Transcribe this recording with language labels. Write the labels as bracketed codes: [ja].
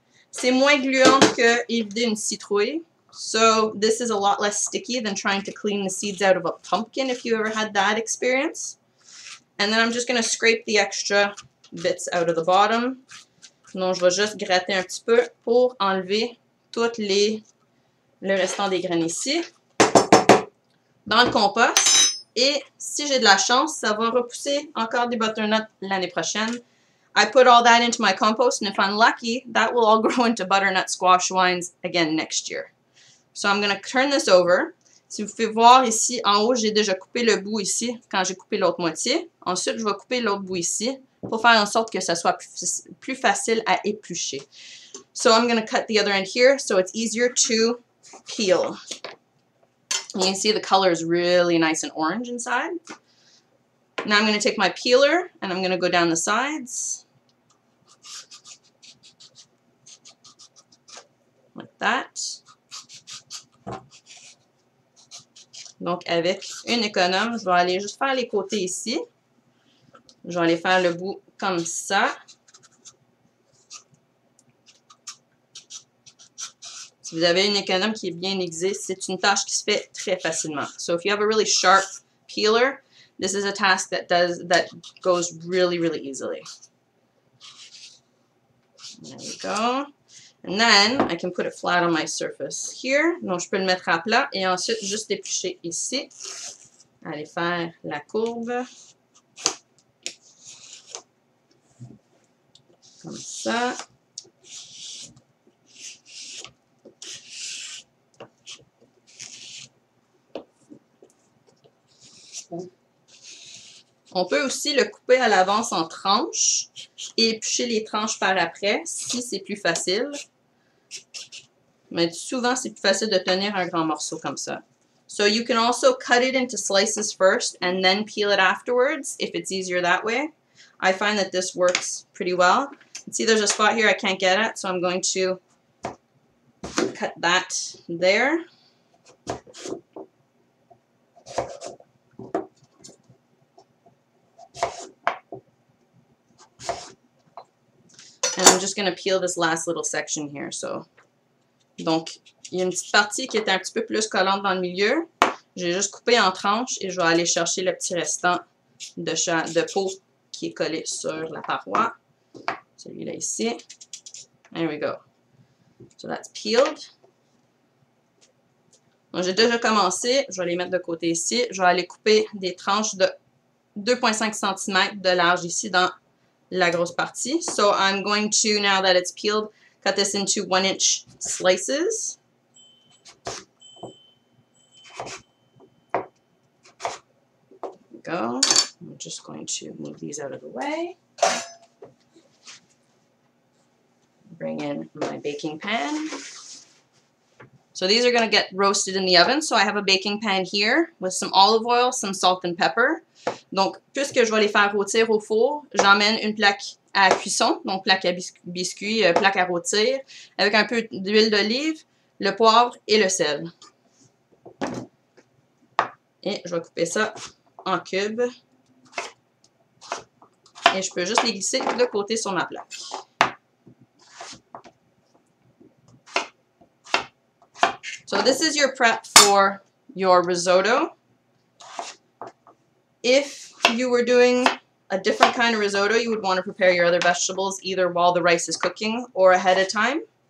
[fr] C'est moins gluant que éviter une citrouille. [en] So, this is a lot less sticky than trying to clean the seeds out of a pumpkin, if you ever had that experience. And then I'm just going to scrape the extra bits out of the bottom. [fr] Sinon, je vais juste gratter un petit peu pour enlever toutes les le restant des graines ici. Dans le compost. Et si j'ai de la chance, ça va repousser encore des butternuts l'année prochaine. [en] I put all that into my compost, and if I'm lucky, that will all grow into butternut squash wines again next year. So I'm going to turn this over. [fr] Si vous pouvez voir ici, en haut, j'ai déjà coupé le bout ici, quand j'ai coupé l'autre moitié. Ensuite, je vais couper l'autre bout ici, pour faire en sorte que ça soit plus facile à éplucher. [en] So I'm going to cut the other end here, so it's easier to peel. You can see the color is really nice and orange inside. Now I'm going to take my peeler and I'm going to go down the sides. Like that. [fr] Donc avec une économe, je vais aller juste faire les côtés ici. Je vais aller faire le bout comme ça. Si vous avez une économe qui est bien aiguisée, c'est une tâche qui se fait très facilement. [en] So if you have a really sharp peeler, this is a task that does that goes really, really easily. There we go. And then I can put it flat on my surface here. [fr] Donc je peux le mettre à plat et ensuite juste l'éplucher ici. Aller faire la courbe. Comme ça. On peut aussi le couper à l'avance en tranches et éplucher les tranches par après, si c'est plus facile. Mais souvent, c'est plus facile de tenir un grand morceau comme ça. [en] So you can also cut it into slices first and then peel it afterwards, if it's easier that way. I find that this works pretty well. See, there's a spot here I can't get at, so I'm going to cut that there. And I'm just going to peel this last little section here, so. [fr] Donc, il y a une petite partie qui est un petit peu plus collante dans le milieu. J'ai juste coupé en tranches et je vais aller chercher le petit restant de peau qui est collé sur la paroi. Celui-là ici. [en] There we go. So that's peeled. [fr] Donc, j'ai déjà commencé. Je vais les mettre de côté ici. Je vais aller couper des tranches de 2,5 cm de large ici dans la grosse partie. [en] So I'm going to, now that it's peeled, cut this into 1-inch slices. There we go. I'm just going to move these out of the way. Bring in my baking pan. So these are going to get roasted in the oven. So I have a baking pan here with some olive oil, some salt and pepper. [fr] Donc, puisque je vais les faire rôtir au four, j'emmène une plaque à cuisson, donc plaque à biscuits, plaque à rôtir, avec un peu d'huile d'olive, le poivre et le sel. Et je vais couper ça en cubes. Et je peux juste les glisser de côté sur ma plaque. [en] So this is your prep for your risotto. If you were doing a different kind of risotto, you would want to prepare your other vegetables either while the rice is cooking or ahead of time.